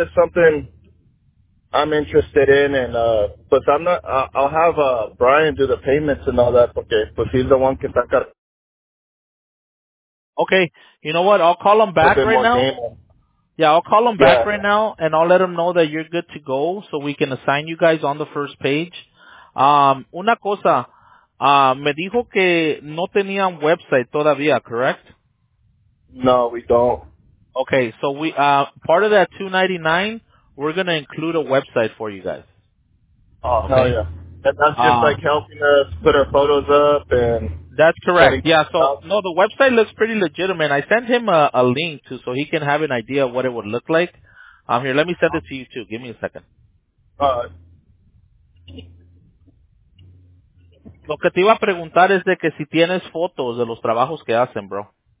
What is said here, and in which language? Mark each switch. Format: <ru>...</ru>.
<en>It's something I'm interested in, and but I'm not, I'll have Brian do the payments and all that, okay? But he's the one</en> <es>que está acá.</es> <en>Okay, you know what? I'll call him back right now. Yeah, I'll call him back right now, and I'll let him know that you're good to go so we can assign you guys on the first page.</en> <es>Una cosa, me dijo que no tenían website todavía, correct?</es> <en>No, we don't. Okay, so we, part of that $299, we're going to include a website for you guys. Oh, okay. Hell yeah. And that's just like helping us put our photos up and... That's correct. Yeah, so, no, the website looks pretty legitimate. I sent him a link too, so he can have an idea of what it would look like. Here, let me send it to you too. Give me a second.</en> <es>Lo que te iba a preguntar es de que si tienes fotos de los trabajos que hacen, bro.</es>